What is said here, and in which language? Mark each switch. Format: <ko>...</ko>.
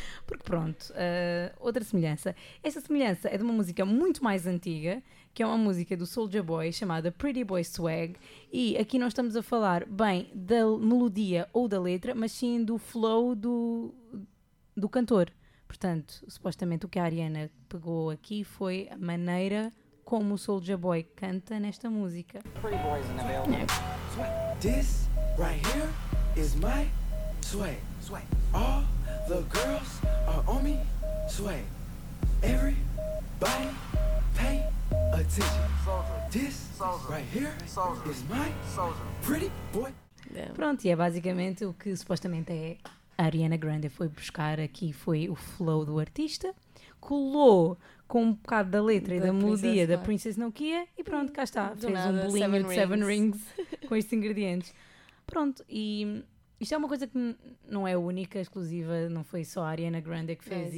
<pt>Porque pronto, outra semelhança. Essa semelhança é de uma música muito mais antiga, que é uma música do Soulja Boy, chamada Pretty Boy Swag. E aqui não estamos a falar bem da melodia ou da letra, mas sim do flow do cantor. Portanto, supostamente o que a Ariana pegou aqui foi a maneira como o Soulja Boy canta nesta música.</pt> <en>Pretty Boy's in the building. This right here is my swag. Swag. All the girls are on me. Swag. Everybody pay attention. Soldier. This right here is my pretty boy.</en> <pt>Pronto, e é basicamente o que supostamente é. A Ariana Grande foi buscar aqui, foi o flow do artista, colou com um bocado da letra e da melodia da Princess Nokia e pronto, cá está, fez um bolinho de Seven Rings com estes ingredientes. Pronto, e isto é uma coisa que não é única, exclusiva, não foi só a Ariana Grande que fez isto.</pt>